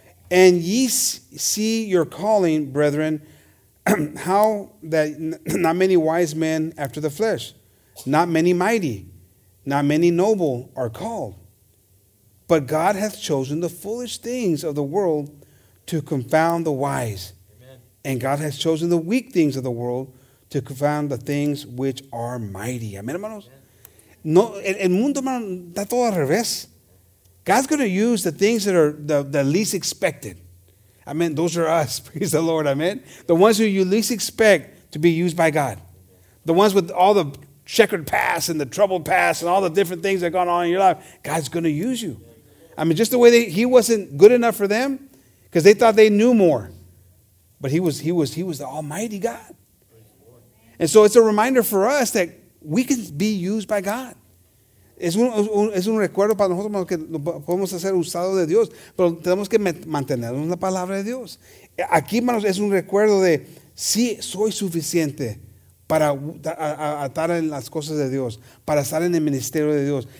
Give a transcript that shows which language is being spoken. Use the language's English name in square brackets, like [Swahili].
[English] And ye see your calling, brethren, how that not many wise men after the flesh, not many mighty, not many noble are called. But God hath chosen the foolish things of the world to confound the wise. And God has chosen the weak things of the world to confound the things which are mighty. Amen, hermanos? [Spanish] No, el mundo, hermano, está todo al revés. [English] God's going to use the things that are the least expected. Amen. Those are us. Praise the Lord. Amen. The ones who you least expect to be used by God. The ones with all the checkered past and the troubled past and all the different things that have gone on in your life. God's going to use you. I mean, just the way that he wasn't good enough for them because they thought they knew more. But he was the Almighty God. And so it's a reminder for us that we can be used by God. [Spanish] Es un recuerdo para nosotros que podemos ser usados de Dios, pero tenemos que mantenernos la palabra de Dios. Aquí, hermanos, es un recuerdo de si soy suficiente para estar en las cosas de Dios, para estar en el ministerio de Dios.